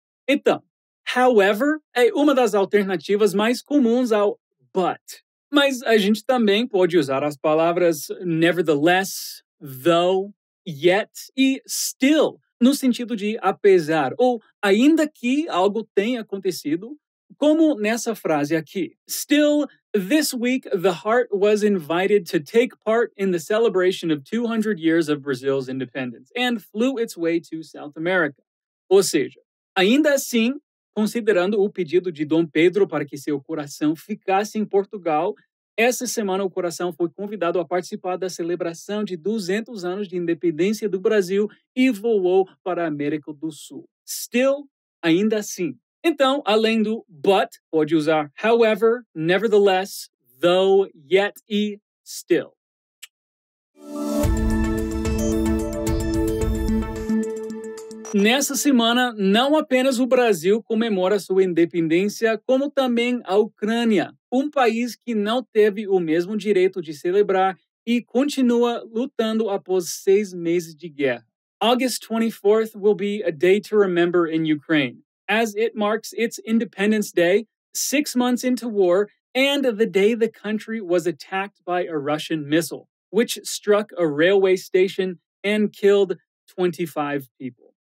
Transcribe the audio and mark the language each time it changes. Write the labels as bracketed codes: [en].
[pt] Então, however é uma das alternativas mais comuns ao but. Mas a gente também pode usar as palavras nevertheless, though, yet e still no sentido de apesar, ou ainda que algo tenha acontecido, como nessa frase aqui. [en] Still, this week, the heart was invited to take part in the celebration of 200 years of Brazil's independence and flew its way to South America. [pt] Ou seja, ainda assim, considerando o pedido de Dom Pedro para que seu coração ficasse em Portugal, essa semana o coração foi convidado a participar da celebração de 200 anos de independência do Brasil e voou para a América do Sul. Still, ainda assim. Então, além do but, pode usar however, nevertheless, though, yet e still. Nessa semana, não apenas o Brasil comemora sua independência, como também a Ucrânia, um país que não teve o mesmo direito de celebrar e continua lutando após 6 meses de guerra. [en] August 24th will be a day to remember in Ukraine, as it marks its Independence Day, 6 months into war, and the day the country was attacked by a Russian missile, which struck a railway station and killed 25 people.